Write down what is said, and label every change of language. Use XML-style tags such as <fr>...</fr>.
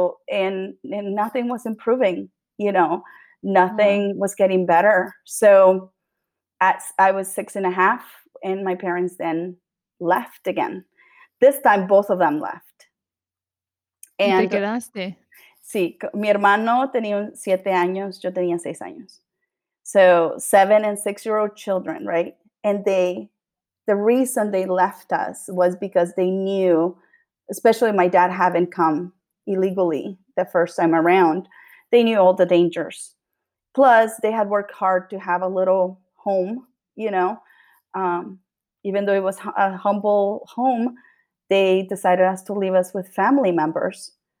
<en>And nothing was improving, you know. Nothing was getting better. So I was six and a half, and my parents then left again. This time, both of them left.</en> <es>And ¿te quedaste? Sí, mi hermano tenía 7 años, yo tenía 6 años.</es> <en>So 7 and 6 year old children, right? And the reason they left us was because they knew, especially my dad having come illegally the first time around, they knew all the dangers. Plus, they had worked hard to have a little home, you know, even though it was a humble home, they decided to leave us with family members.</en>